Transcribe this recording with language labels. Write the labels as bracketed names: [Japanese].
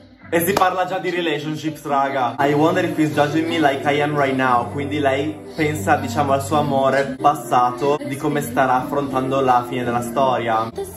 [Italian] E si parla già di relationships, raga. [English] I wonder if he's judging me like I am right now. [Italian] Quindi lei pensa, diciamo, al suo amore passato, di come starà affrontando la fine della storia.